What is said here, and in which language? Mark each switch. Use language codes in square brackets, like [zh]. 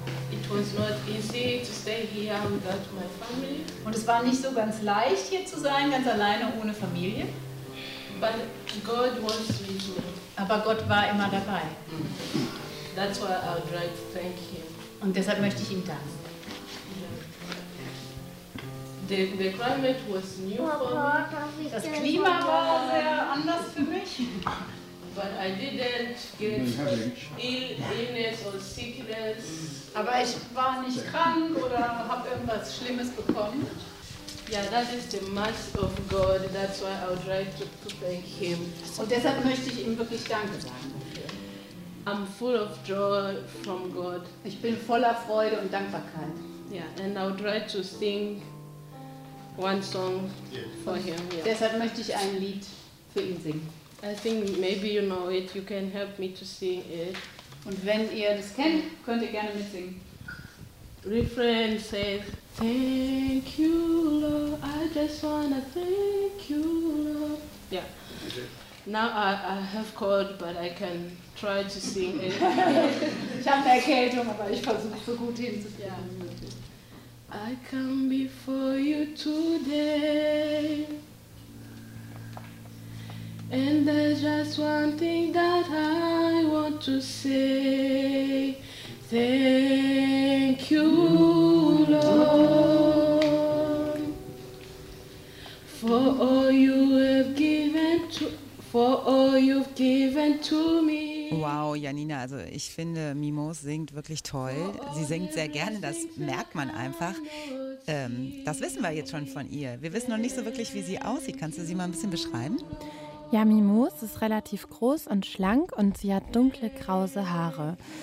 [en] It was not easy to stay here without my family. [de] Und es war nicht so ganz leicht, hier zu sein, ganz alleine ohne Familie. [en] But God was with me. [de] Aber Gott war immer dabei. [en] That's why I would like to thank him. [de] Und deshalb möchte ich ihm danken. [en] The climate was new for me. [de] Das Klima war sehr anders für mich. [en] But I didn't get illness or sickness. [de] Aber ich war nicht krank oder habe irgendwas Schlimmes bekommen. [en] Yeah, that is the mass of God. That's why I would like to thank him. [de] Und deshalb möchte ich ihm wirklich Danke sagen. [en] I'm full of joy from God. [de] Ich bin voller Freude und Dankbarkeit. [en] Yeah, and I would like to sing one song for him. Yeah. [de] Deshalb möchte ich ein Lied für ihn singen. [en] I think maybe you know it. You can help me to sing it. [de] Und wenn ihr das kennt, könnt ihr gerne mitsingen. [en] Refrain says, thank you, Lord, I just wanna thank you, Lord. Yeah. Now I have cold, but I can try to sing it. [de] Ich habe eine Erkältung, aber ich versuche so gut hinzukriegen. [en] Yeah. I come before you today. And there's just one thing that I want to say. Thank you, Lord, for all you have given to, for all you've given to me. [de] Wow, Janina, also ich finde, Mimos singt wirklich toll. Sie singt sehr gerne, das merkt man einfach. Das wissen wir jetzt schon von ihr. Wir wissen noch nicht so wirklich, wie sie aussieht. Kannst du sie mal ein bisschen beschreiben? Ja, Mimos ist relativ groß und schlank und sie hat dunkle, krause Haare.